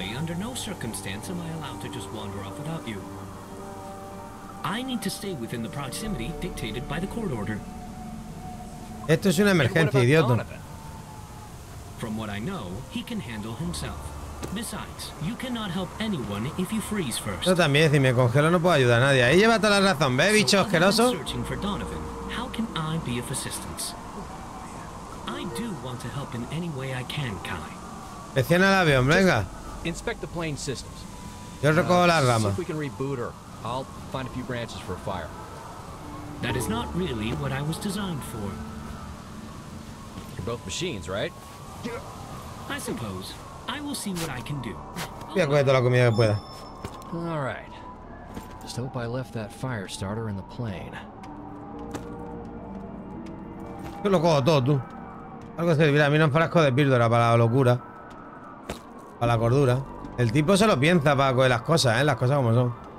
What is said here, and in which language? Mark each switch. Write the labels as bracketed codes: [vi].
[en] Under no circumstance am I allowed to just wander off without you. I need to stay within the proximity dictated by the court order. [es] Esto es una emergencia, idiota. [en] From what I know, he can handle himself. Besides, you cannot help anyone if you freeze first. [es] Yo también, si me congelo no puedo ayudar a nadie. Ahí lleva toda la razón, ve, bicho asqueroso. [en] So, searching for Donovan, how can I be of assistance? I do want to help in any way I can, Kai. [es] Inspecciona el avión, venga. [en] Inspect the plane systems. [es] Yo recojo la rama. [en] If we can reboot her, I'll find a few branches for a fire. That is not really what I was designed for. You're both machines, right? I suppose. I will see what I can do. [es] Voy a coger toda la comida que pueda. [en] All right. Just hope I left that fire starter in the plane. [es] Yo lo cojo todo, tú. Algo servirá. A mí no es frasco de píldora para la locura. Para la cordura. El tipo se lo piensa para coger las cosas, ¿eh? Las cosas como son.